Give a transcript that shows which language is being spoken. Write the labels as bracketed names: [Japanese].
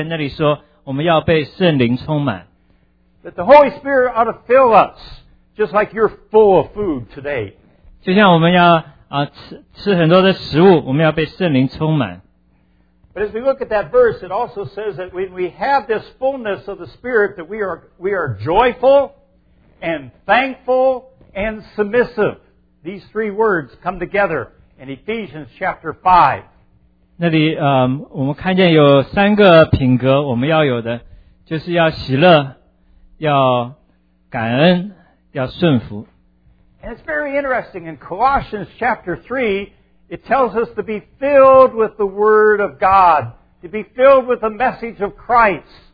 [Chinese] 首先我们看以弗所书第5章18节，那里说我们要被圣灵充满。 [English] That the Holy Spirit ought to fill us, just like you're full of food today. [Chinese] 就像我们要 吃很多的食物，我们要被圣灵充满。 [English] But as we look at that verse, it also says that when we have this fullness of the Spirit, that we are joyful and thankful and submissive. These three words come together in Ephesians chapter 5. [Chinese] 那里, 我们看见有三个品格我们要有的，就是要喜乐，要感恩，要顺服。 [English] And it's very interesting, in Colossians chapter 3, it tells us to be filled with the Word of God, to be filled with the message of Christ.